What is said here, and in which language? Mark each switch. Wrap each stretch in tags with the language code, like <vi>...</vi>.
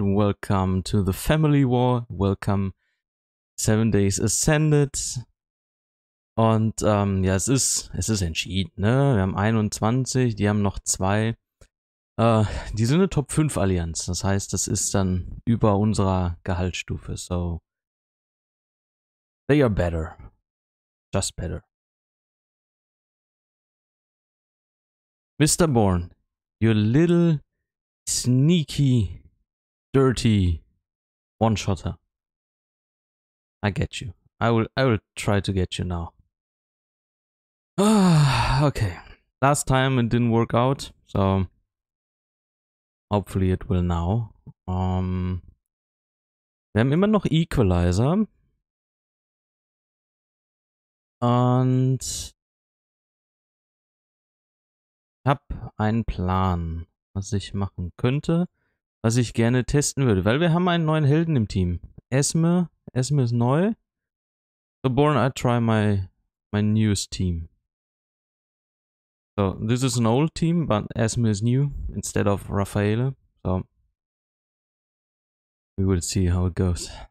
<en>Welcome to the Family War. Welcome 7 Days Ascended.</en> <de>Und ja, es ist entschieden, ne? Wir haben 21, die haben noch 2. Die sind eine Top 5 Allianz. Das heißt, das ist dann über unserer Gehaltsstufe.</de> <en>So, they are better. Just better. Mr. Bourne, your little sneaky, dirty one-shotter. I get you. I will try to get you now. Okay. Last time it didn't work out, so hopefully it will now.</en> <de>Wir haben immer noch Equalizer. Und ich habe einen Plan, was ich machen könnte, was ich gerne testen würde. Weil wir haben einen neuen Helden im Team. Esme ist neu.</de> <en>So, Bourne, I try my newest team. So, this is an old team, but Esme is new instead of Raffaele. So, we will see how it goes.</en>